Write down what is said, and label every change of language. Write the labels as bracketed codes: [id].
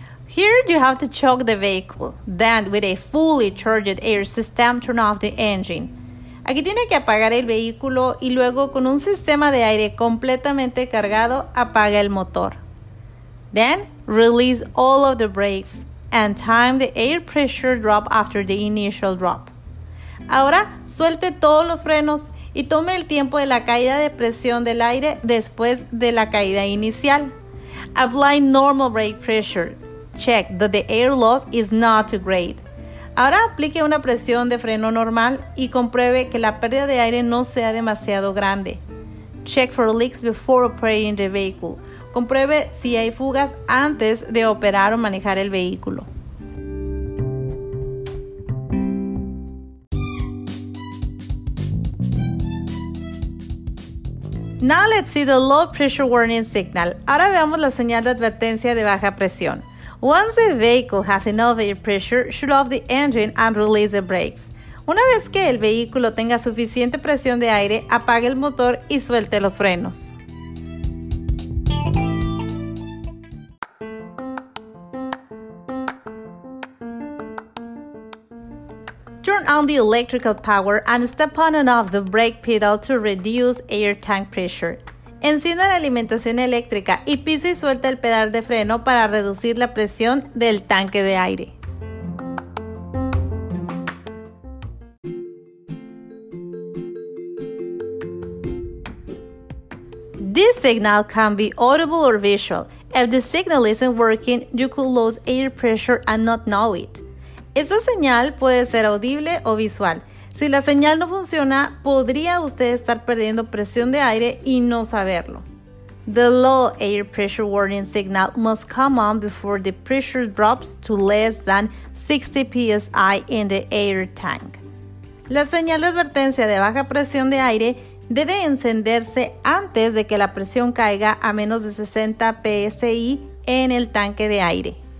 [en] Here you have to choke the vehicle, then with a fully charged air system turn off the engine. [es] Aquí tiene que apagar el vehículo y luego con un sistema de aire completamente cargado apaga el motor. [en] Then release all of the brakes and time the air pressure drop after the initial drop. [es] Ahora suelte todos los frenos y tome el tiempo de la caída de presión del aire después de la caída inicial. [en] Apply normal brake pressure. Check that the air loss is not too great. [es] Ahora aplique una presión de freno normal y compruebe que la pérdida de aire no sea demasiado grande. [en] Check for leaks before operating the vehicle. [es] Compruebe si hay fugas antes de operar o manejar el vehículo. [en] Now let's see the low pressure warning signal. [es] Ahora veamos la señal de advertencia de baja presión. [en] Once the vehicle has enough air pressure, shut off the engine and release the brakes. [es] Una vez que el vehículo tenga suficiente presión de aire, apague el motor y suelte los frenos. [en] Turn on the electrical power and step on and off the brake pedal to reduce air tank pressure. [es] Encienda la alimentación eléctrica y pise y suelta el pedal de freno para reducir la presión del tanque de aire. [en] This signal can be audible or visual. If the signal isn't working, you could lose air pressure and not know it. [es] Esa señal puede ser audible o visual. Si la señal no funciona, podría usted estar perdiendo presión de aire y no saberlo. [en] The low air pressure warning signal must come on before the pressure drops to less than 60 psi in the air tank. [es] La señal de advertencia de baja presión de aire debe encenderse antes de que la presión caiga a menos de 60 psi en el tanque de aire.